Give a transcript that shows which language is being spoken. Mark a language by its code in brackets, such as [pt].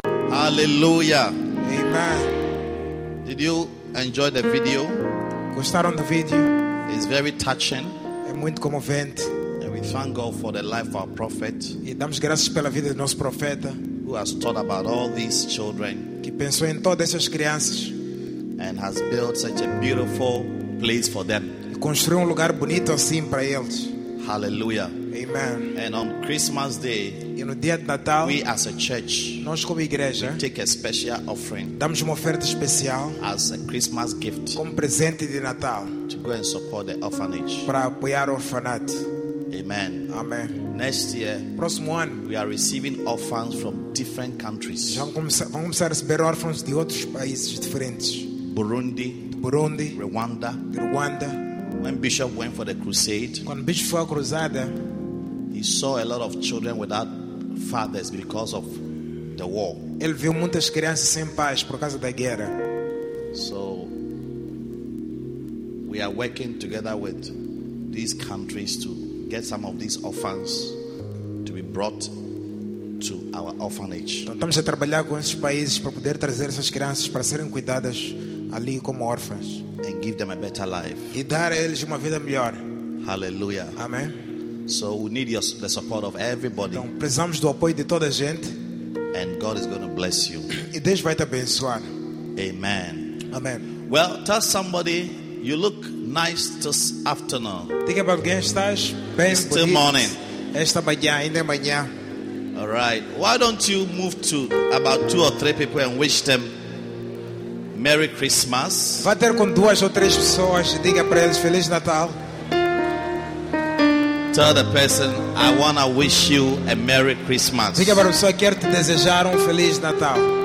[pt] Aleluia. [en] Amen. Did you enjoy the video? [pt] Gostaram do vídeo? [en] It's very touching. [pt] É muito comovente. [en] And we thank God for the life of our prophet. [pt] E damos graças pela vida do nosso profeta. [en] Who has thought about all these children? [pt] Que pensou em todas essas crianças. [en] And has built such a beautiful place for them. [pt] E construiu lugar bonito assim para eles. [en] Hallelujah. Amen. And on Christmas Day, [pt] e no dia de Natal, [en] we as a church, [pt] nós como igreja, [en] we take a special offering, [pt] damos uma oferta especial, [en] as a Christmas gift, [pt] como presente de Natal, [en] to go and support the orphanage, [pt] para apoiar o orfanato. [en] Amen. Amen. Next year, [pt] próximo ano, [en] we are receiving orphans from different countries. [pt] Vamos começar a receber órfãos de outros países diferentes. [en] Burundi, [pt] Burundi, [en] Rwanda, [pt] Rwanda. [en] When Bishop went for the crusade, [pt] quando Bishop foi à cruzada, [en] he saw a lot of children without fathers because of the war. [pt] Ele viu muitas crianças sem pais por causa da guerra. [en] So we are working together with these countries to get some of these orphans to be brought to our orphanage. [pt] Então, estamos a trabalhar com esses países para poder trazer essas crianças para serem cuidadas ali como órfãs. [en] And give them a better life. [pt] E dar a eles uma vida melhor. [en] Hallelujah. [pt] Amém. [en] So we need the support of everybody. [pt] Então precisamos do apoio de toda a gente. [en] And God is going to bless you. [pt] E Deus vai te abençoar. [en] Amen. [pt] Amém. [en] Well, tell somebody you look nice this afternoon. [pt] Diga para alguém, estás bem bonito. [en] Still morning. [pt] Esta manhã, ainda é manhã. [en] All right. Why don't you move to about two or three people and wish them Merry Christmas. [pt] Vá ter com duas ou três pessoas e diga para eles Feliz Natal. [en] Tell the person I want to wish you a Merry Christmas. [pt] Diga para a pessoa, quero te desejar Feliz Natal.